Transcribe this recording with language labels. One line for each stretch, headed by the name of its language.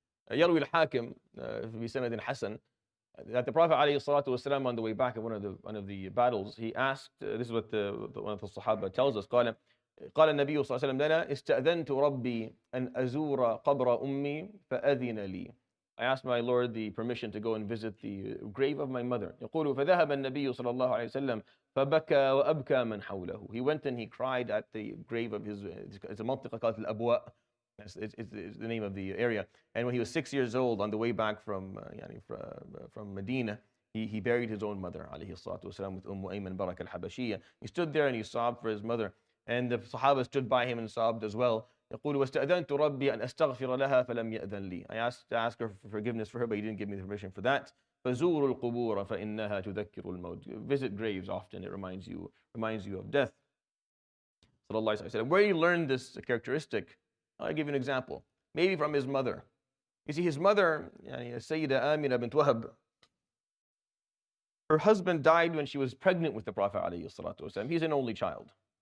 Arabic: Yalwi al-Hakim, bi sanadin hasan,
English: that the Prophet alayhi salatu wasalam, on the way back at one of the battles, he asked, this is what one of the Sahaba tells us,
Arabic: qala, قال النبي صلى الله عليه وسلم لنا استأذنت ربي أن أزور قبر أمي فأذن لي.
English: I asked my Lord the permission to go and visit the grave of my mother.
Arabic: يقول فذهب النبي صلى الله عليه وسلم فبكى وأبكى من حوله.
English: He went and he cried at the grave of his. It's a منطقة called الأبواء. It's the name of the area. And when he was 6 years old, on the way back from Medina, he buried his own mother عليه الصلاة والسلام with Umm Ayman Barak al Habashiyya. He stood there and he sobbed for his mother. And the Sahaba stood by him and sobbed as well.
Arabic: يقول واستأذنت ربي أن أستغفر لها فلم يأذن لي.
English: I asked to ask her for forgiveness for her, but he didn't give me the permission for that.
Arabic: فزور القبور فإنها تذكر الموت.
English: Visit graves often; it reminds you of death.
Arabic: صلى الله عليه وسلم.
English: Where he learned this characteristic? I'll give you an example. Maybe from his mother. You see, his mother, Sayyida Amina bint Wahab, her husband died when she was pregnant with the Prophet عليه الصلاة والسلام. He's an only child.